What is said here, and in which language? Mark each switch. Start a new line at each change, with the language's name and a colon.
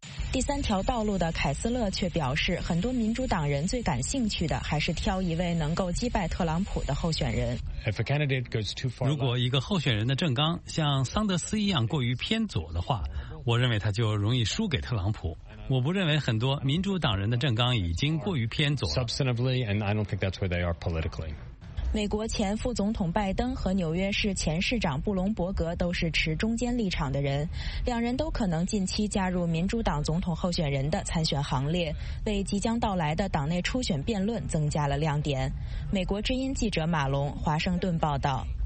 Chinese: 第三条道路的凯斯勒却表示，很多民主党人最感兴趣的还是挑一位能够击败特朗普的候选人。
English: If a candidate goes too far,
Chinese: 如果一个候选人的政纲像桑德斯一样过于偏左的话，我认为他就容易输给特朗普。我不认为很多民主党人的政纲已经过于偏左。
English: Substantively, and I don't think that's where they are politically.
Chinese: 美国前副总统拜登和纽约市前市长布隆伯格都是持中间立场的人，两人都可能近期加入民主党总统候选人的参选行列，为即将到来的党内初选辩论增加了亮点。美国之音记者马龙，华盛顿报道。